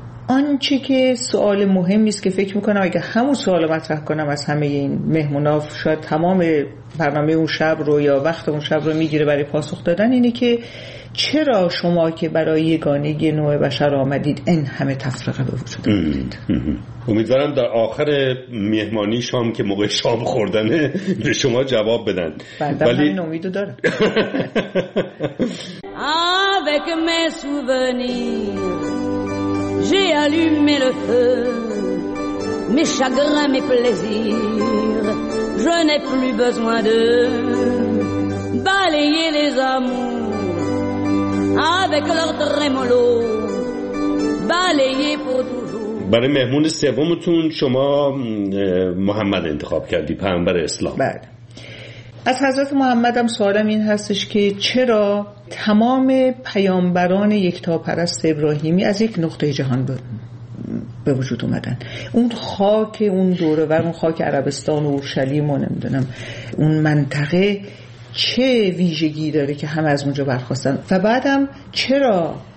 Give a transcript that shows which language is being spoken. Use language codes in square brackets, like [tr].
[fa] آن چی که سوال مهمی است که فکر میکنم اگه همون سوال مطرح کنم از همه این مهمونا، شاید تمام برنامه اون شب رو یا وقت اون شب رو میگیره برای پاسخ دادن، اینه که چرا شما که برای یگانگی نوع بشر آمدید این همه تفرقه به وجود آمدید؟ امیدوارم در آخر مهمانی شام که موقع شام خوردنه به شما جواب بدن. بنده ولی... همین امیدو دارم. [fr] Avec mes souvenirs J'ai allumé le feu, mes chagrins, mes plaisirs, je n'ai plus besoin d'eux. Balayer les amours avec leurs trémolos, balayer pour toujours. [fa] برای مهمون سومتون شما محمد انتخاب کردی، پیامبر اسلام. بله. از حضرت محمد هم سوالم این هستش که چرا تمام پیامبران یکتاپرست ابراهیمی از یک نقطه جهان به وجود اومدن؟ اون خاک اون دوره و اون خاک عربستان و اورشلیم و نمیدونم اون منطقه چه ویژگی داره که همه از اونجا برخواستن؟ و بعدم چرا